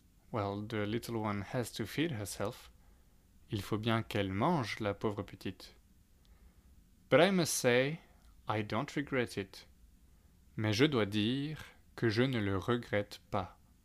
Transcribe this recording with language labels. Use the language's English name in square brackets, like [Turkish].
[English] Well, the little one has to feed herself. [French] Il faut bien qu'elle mange, la pauvre petite. [English] But I must say, I don't regret it. [French] Mais je dois dire que je ne le regrette pas.